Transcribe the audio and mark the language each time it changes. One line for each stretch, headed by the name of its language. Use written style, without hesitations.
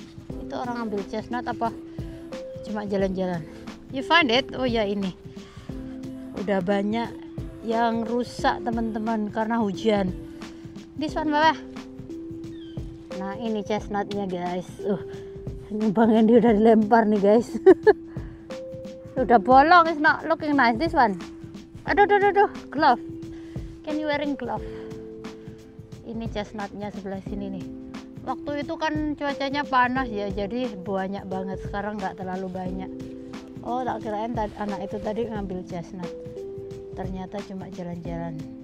Indonesian: Itu orang ambil chestnut apa? Cuma jalan-jalan.
English: You find it?
Indonesian: Oh ya ini. Udah banyak yang rusak teman-teman karena hujan.
English: This one
Indonesian: bawah. Nah ini chestnutnya guys. Nyumbangin dia udah dilempar nih guys. Udah bolong,
English: it's not looking nice this one.
Indonesian: Aduh,
English: glove. Can you wearing glove?
Indonesian: Ini chestnutnya sebelah sini nih. Waktu itu kan cuacanya panas ya, jadi banyak banget. Sekarang nggak terlalu banyak. Oh, tak kirain anak itu tadi ngambil chestnut. Ternyata cuma jalan-jalan.